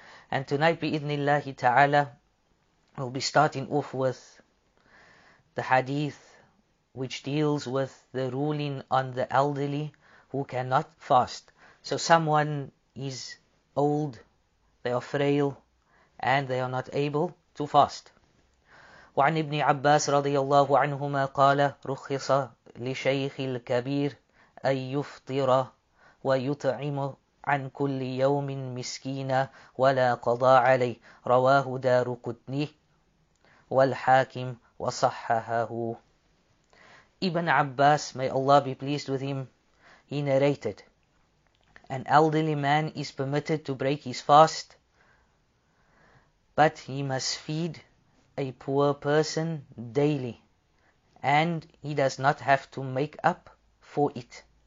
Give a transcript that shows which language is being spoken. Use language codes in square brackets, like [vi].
[en] And tonight, [ar] bi-idhnillahi ta'ala, [en] we'll be starting off with the hadith which deals with the ruling on the elderly who cannot fast. So someone is old, they are frail, and they are not able to fast. [ar] وعن ابن عباس رضي الله عنهما قال رخص لشيخ الكبير أن يفطر ويطعم عن كل يوم مسكينا ولا قضى عليه رواه دار قطني والحاكم وصححه. [en] Ibn Abbas, may Allah be pleased with him, he narrated, an elderly man is permitted to break his fast, but he must feed a poor person daily, and he does not have to make up for it.